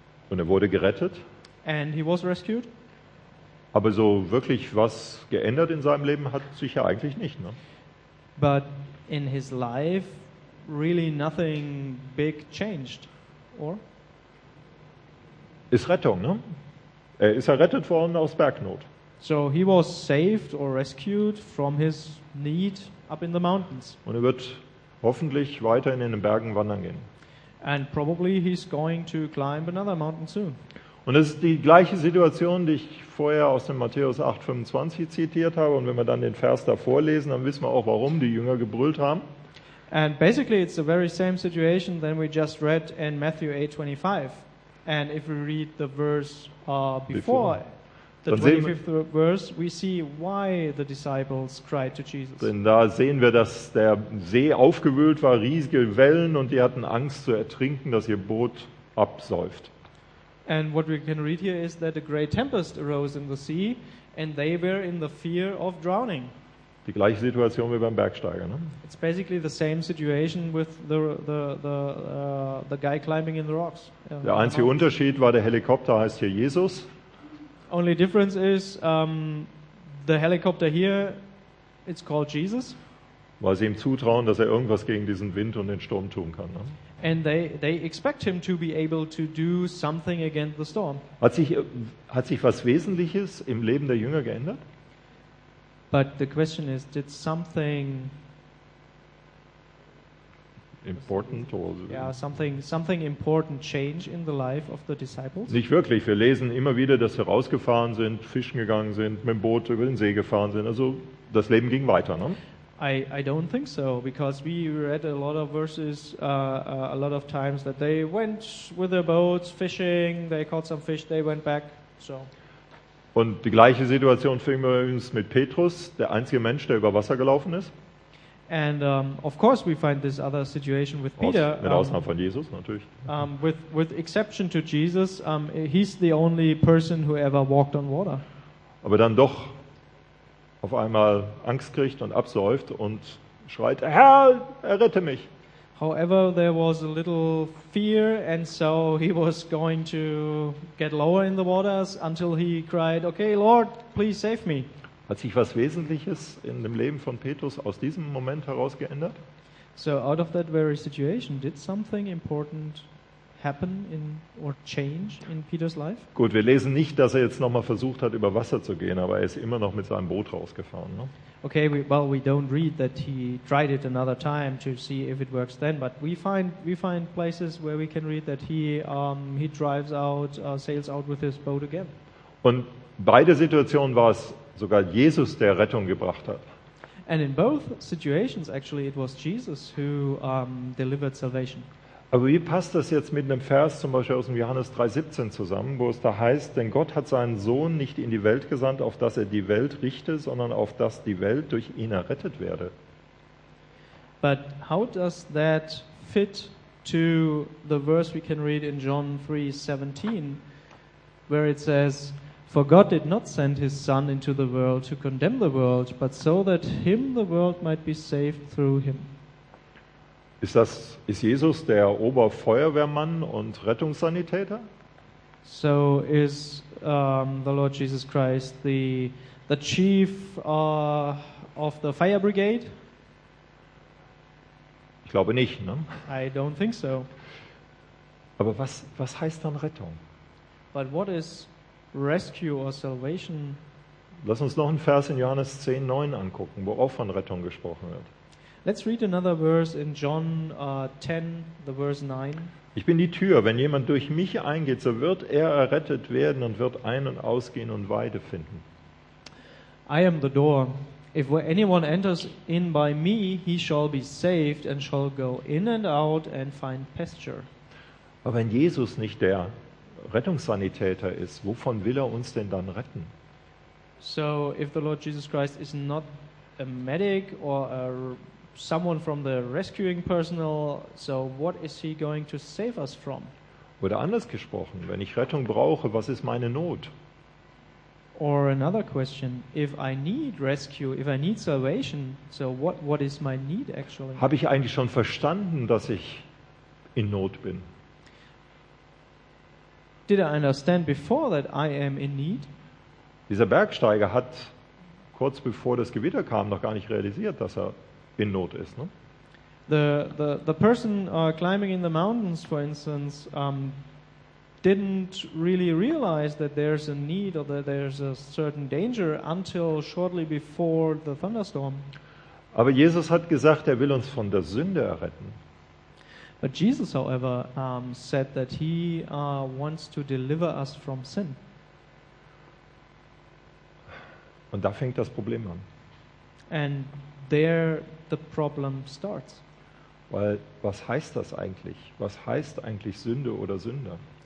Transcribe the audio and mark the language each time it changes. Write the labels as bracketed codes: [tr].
[de] Und er wurde gerettet. [en] And he was rescued. [de] Aber so wirklich was geändert in seinem Leben hat sich ja eigentlich nicht, ne? [en] But in his life really nothing big changed. Or? [de] Ist Rettung, ne? Er ist errettet worden aus Bergnot. [en] So he was saved or rescued from his need up in the mountains. [de] Und er wird hoffentlich weiterhin in den Bergen wandern gehen. [en] And probably he's going to climb another mountain soon. [de] Und das ist die gleiche Situation, die ich vorher aus dem Matthäus 8:25 zitiert habe. Und wenn wir dann den Vers davor lesen, dann wissen wir auch, warum die Jünger gebrüllt haben. [en] And basically it's the very same situation that we just read in Matthew 8:25. And if we read the verse before the 25th verse, we see why the disciples cried to Jesus. [de] Denn da sehen wir, dass der See aufgewühlt war, riesige Wellen, und die hatten Angst zu ertrinken, dass ihr Boot absäuft. [en] And what we can read here is that a great tempest arose in the sea, and they were in the fear of drowning. [de] Die gleiche Situation wie beim Bergsteiger, ne? [en] It's basically the same situation with the guy climbing in the rocks. [de] Der einzige Unterschied war, der Helikopter heißt hier Jesus. [en] Only difference is the helicopter here, it's called Jesus. [de] Weil sie ihm zutrauen, dass er irgendwas gegen diesen Wind und den Sturm tun kann. Ne? [en] And they expect him to be able to do something against the storm. [de] Hat sich was Wesentliches im Leben der Jünger geändert? [en] But the question is, did something important or yeah, something important change in the life of the disciples? [de] Nicht wirklich. Wir lesen immer wieder, dass sie rausgefahren sind, fischen gegangen sind, mit dem Boot über den See gefahren sind. Also das Leben ging weiter, ne? [en] I don't think so, because we read a lot of verses a lot of times that they went with their boats fishing, they caught some fish, they went back. So. [de] Und die gleiche Situation fing übrigens mit Petrus, der einzige Mensch, der über Wasser gelaufen ist. [en] And of course we find this other situation with Peter. [de] Mit Ausnahme von Jesus natürlich. [en] With exception to Jesus, he's the only person who ever walked on water. [de] Aber dann doch auf einmal Angst kriegt und absäuft und schreit, Herr, errette mich. [en] However, there was a little fear, and so he was going to get lower in the waters until he cried, okay, Lord, please save me. [de] Hat sich was Wesentliches in dem Leben von Petrus aus diesem Moment heraus geändert? [en] So out of that very situation, did something important happen in or change in Peter's life? [de] Gut, wir lesen nicht, dass er jetzt nochmal versucht hat, über Wasser zu gehen, aber er ist immer noch mit seinem Boot rausgefahren, ne? [en] Okay, we don't read that he tried it another time to see if it works then, but we find places where we can read that he drives out, sails out with his boat again. [de] Und beide Situationen war es sogar Jesus, der Rettung gebracht hat. [en] And in both situations, actually, it was Jesus who delivered salvation. [de] Aber wie passt das jetzt mit einem Vers zum Beispiel aus dem Johannes 3,17 zusammen, wo es da heißt, denn Gott hat seinen Sohn nicht in die Welt gesandt, auf dass er die Welt richte, sondern auf dass die Welt durch ihn errettet werde. [en] But how does that fit to the verse we can read in John 3,17, where it says, for God did not send his son into the world to condemn the world, but so that him the world might be saved through him. [de] Ist Jesus der Oberfeuerwehrmann und Rettungssanitäter? [en] So is the Lord Jesus Christ the chief of the fire brigade? [de] Ich glaube nicht, ne? [en] I don't think so. [de] Aber was heißt dann Rettung? [en] But what is rescue or salvation? [de] Lass uns noch einen Vers in Johannes 10,9 angucken, wo auch von Rettung gesprochen wird. [en] Let's read another verse in John 10, the verse 9. [de] Ich bin die Tür. Wenn jemand durch mich eingeht, so wird er errettet werden und wird ein- und ausgehen und Weide finden. [en] I am the door. If anyone enters in by me, he shall be saved and shall go in and out and find pasture. [de] Aber wenn Jesus nicht der Rettungssanitäter ist, wovon will er uns denn dann retten? [en] So, if the Lord Jesus Christ is not a medic or a someone from the rescuing personnel, so what is he going to save us from? [de] Oder anders gesprochen, wenn ich Rettung brauche, was ist meine Not? [en] Or another question, if I need rescue, if I need salvation, so what is my need actually? [de] Habe ich eigentlich schon verstanden, dass ich in Not bin? [en] Did I understand before that I am in need? [de] Dieser Bergsteiger hat kurz bevor das Gewitter kam noch gar nicht realisiert, dass er in Not ist, ne? [en] The person climbing in the mountains, for instance, didn't really realize that there's a need or that there's a certain danger until shortly before the thunderstorm. [de] Aber Jesus hat gesagt, er will uns von der Sünde erretten. [en] But Jesus, however, said that he wants to deliver us from sin. [de] Und da fängt das Problem an. [en] And there the problem starts. [de] Weil was heißt das eigentlich? Was heißt eigentlich Sünde oder Sünder?